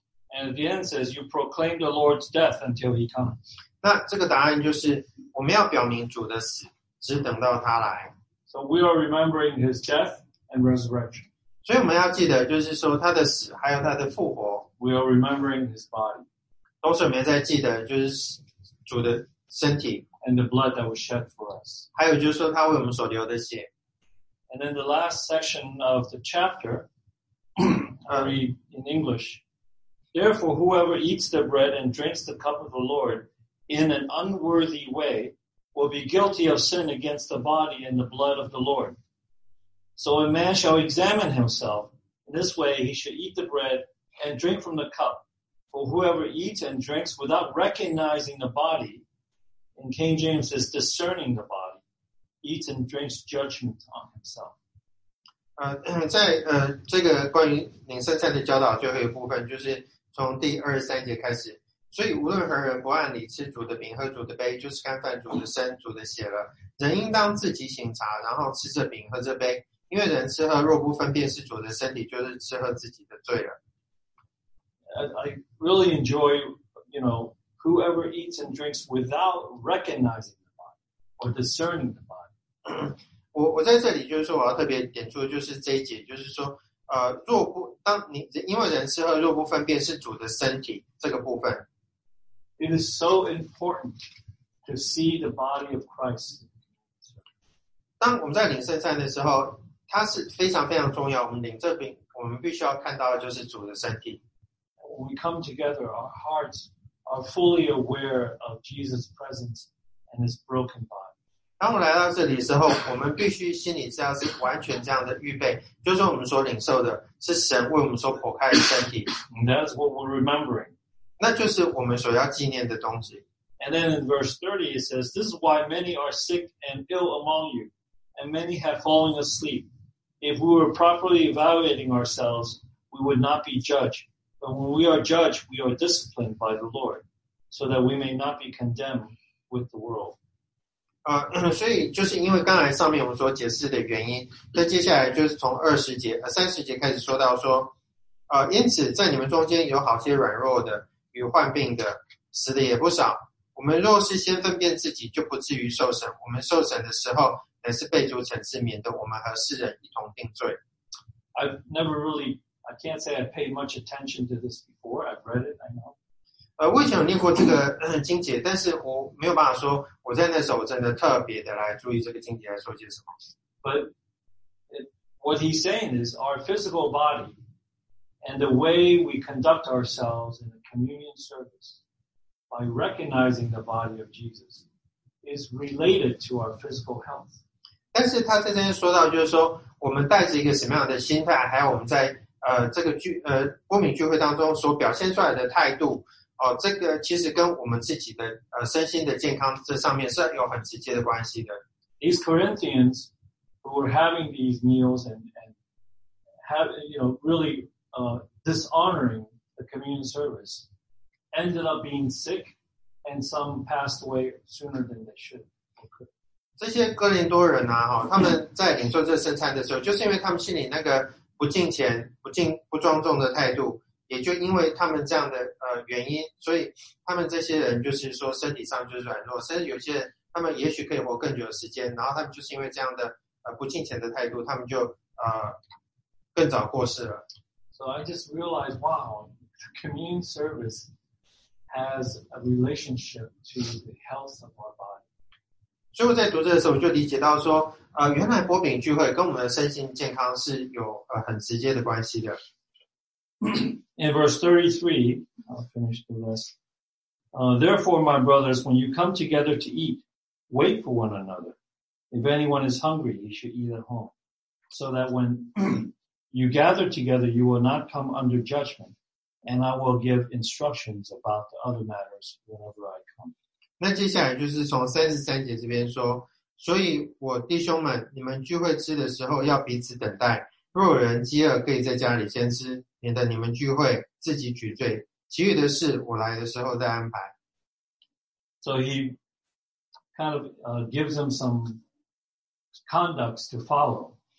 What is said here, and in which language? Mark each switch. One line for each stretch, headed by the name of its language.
English: ？And the answer is, "You proclaim the Lord's death until he comes."
Chinese: 那这个答案就是我们要表明主的死，只等到他来。
English: So we are remembering his death and resurrection.
Chinese: 所以我们要记得就是说他的死还有他的复活。
English: We are remembering his body.
Chinese: 都是我们在记得，就是主的身体
English: ，and the blood that was shed for us，
Chinese: 还有就是说他为我们所流的血。
English: And then the last section of the chapter, I read in English. Therefore, whoever eats the bread and drinks the cup of the Lord in an unworthy way will be guilty of sin against the body and the blood of the Lord. So a man shall examine himself. In this way, he should eat the bread and drink from the cup. For whoever eats and drinks without recognizing the body, and King James is discerning the body, eats and drinks judgment on himself.
Chinese: 在这个关于领圣餐的教导最后一部分，就是从第二十三节开始。所以无论何人不按理吃主的饼喝主的杯，就是干犯主的身、主的血了。人应当自己省察，然后吃这饼喝这杯，因为人吃喝若不分辨是主的身体，就是吃喝自己的罪了。
English: I really enjoy, you know, whoever eats and drinks without recognizing the body or discerning the body.
Chinese: 我在这里就是说，我要特别点出就是这一节，就是说，若不当你因为人吃喝若不分辨是主的身体这个部分。
English: It is so important to see the body of Christ.
Chinese: 当我们在领圣餐的时候，它是非常非常重要。我们领这饼，我们必须要看到的就是主的身体。
English: When we come together, our hearts are fully aware of Jesus' presence and His broken body.
Chinese: 当我们来到这里的时候，我们必须心里知道是完全这样的预备，就是我们所领受的是神为我们所剖开的身体。
English: That's what we're remembering.
Chinese: 那就是我们所要纪念的东西。
English: And then in verse 30, it says, "This is why many are sick and ill among you, and many have fallen asleep. If we were properly evaluating ourselves, we would not be judged. But when we are judged, we are disciplined by the Lord, so that we may not be condemned with the world."
Chinese: 所以就是因为刚才上面我们所解释的原因，那接下来就是从30节开始说到说，因此在你们中间有好些软弱的，与患病的，死的也不少。我们若是先分辨自己，就不至于受审。我们受审的时候，乃是被主惩治，免得我们和世人一同定罪。
English: I can't say I paid much attention to this before. I've read it. I know.
Chinese: 我以前有念过这个经节，但是我没有办法说我在那时候真的特别的来注意这个经节来说些什么。
English: But what he's saying is our physical body and the way we conduct ourselves in the communion service. By recognizing the body of Jesus is related to our physical health.
Chinese: 但是他在这边说到，就是说我们带着一个什么样的心态，还有我们在这个过敏聚会当中所表现出来的态度，这个其实跟我们自己的身心的健康这上面是有很直接的关系的。
English: These Corinthians who were having these meals and have you know really dishonoring the communion service. Ended up being sick, and some passed away sooner than they should.
Chinese: 这些哥林多人啊，他们在领受这圣餐的时候，就是因为他们心里那个不敬虔、不庄重的态度，也就因为他们这样的原因，所以他们这些人就是说身体上就软弱，甚至有些人他们也许可以活更久的时间，然后他们就是因为这样的不敬虔的态度，他们就更早过世了。
English: So I just realized, wow, communion service. Has a relationship to the health of our body.
Chinese: 所以我在读这的时候，我就理解到说，原来薄饼聚会跟我们的身心健康是有很直接的关系的。
English: In verse 33, I'll finish the list. Therefore, my brothers, when you come together to eat, wait for one another. If anyone is hungry, he should eat at home, so that when you gather together, you will not come under judgment. And I will give instructions about the other matters whenever I come.
Chinese: 那接下来就是从33节这边说，所以我弟兄们，你们聚会吃的时候要彼此等待。若有人饥饿，可以在家里先吃，免得你们聚会自己举罪。其余的事我来的时候再安排。
English: So he kind of gives them some conducts to follow.